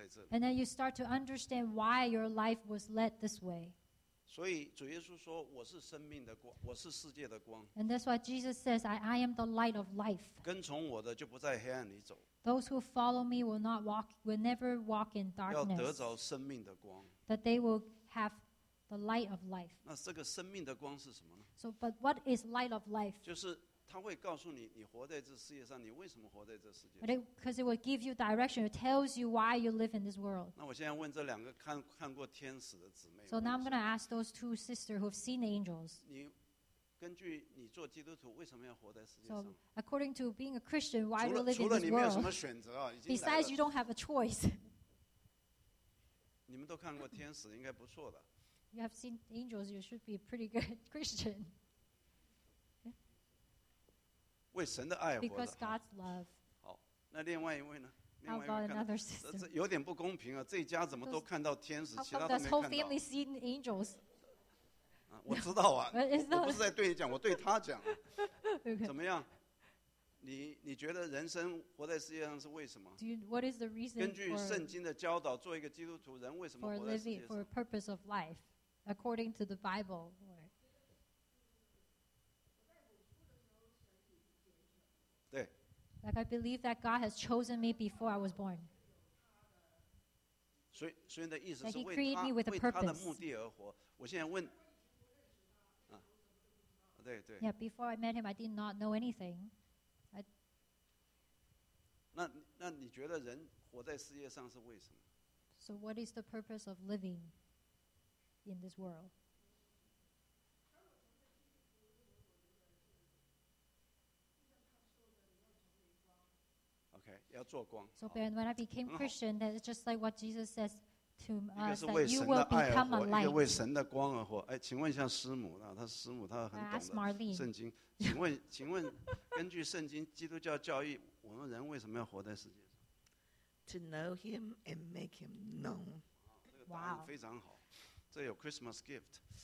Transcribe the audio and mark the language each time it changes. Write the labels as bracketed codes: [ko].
[en] and then you start to understand why your life was led this way. [zh] 所以主耶稣说, 我是生命的光, 我是世界的光。 [en] And that's why Jesus says, I am the light of life. [zh] 跟从我的就不在黑暗里走。 [en] Those who follow me will not walk, will never walk in darkness. [zh] 要得着生命的光。 [en] That they will have the light of life. [zh] 那这个生命的光是什么呢? [en] So, but what is light of life? [zh] 就是 他会告诉你你活在这世界上, 你为什么活在这世界上? [en] But it, because it will give you direction, it tells you why you live in this world. [zh] 那我现在问这两个看, 看过天使的姊妹, [en] so now I'm going to ask those two sisters who have seen the angels. [zh] 你根据你做基督徒, [en] so according to being a Christian, why do you live in this world? [zh] 除了你没有什么选择啊, [en] besides you don't have a choice. [zh] 你们都看过天使, [en] you have seen angels, you should be a pretty good Christian. [zh] 为神的爱活的, [en] because God's love. [zh] 好, 那另外一位呢? [en] How about another sister? [zh] 有点不公平啊, 这一家怎么都看到天使, 其他都没看到。 [en] How come this whole family seen angels? [zh] 啊, 我知道啊, 我不是在对你讲, 我对他讲。 [en] Okay. [zh] 怎么样? 你觉得人生活在世界上是为什么? [en] What is the reason [zh] 根据圣经的教导, 做一个基督徒, 人为什么活在世界上? [en] For a purpose of life, according to the Bible, or [zh] 对, [en] like I believe that God has chosen me before I was born. [zh] 所以你的意思是为他, [en] that he created me with a purpose. [zh] 为他的目的而活, 我现在问, 啊, 对, 对, [en] yeah, before I met him, I did not know anything. [zh] 那你觉得人活在世界上是为什么? [en] So what is the purpose of living in this world? [zh] 要做光, [en] so Ben, when I became Christian, that's just like what Jesus says to us, that you will become a light. [zh] 一个为神的光而活, 哎, 请问一下师母, 她师母, 她很懂的圣经, 请问, 请问, 根据圣经, 基督教教义, 我们人为什么要活在世界上? [en] To know him and make him known. [zh] 这个答案非常好, 这有 [en] Christmas gift.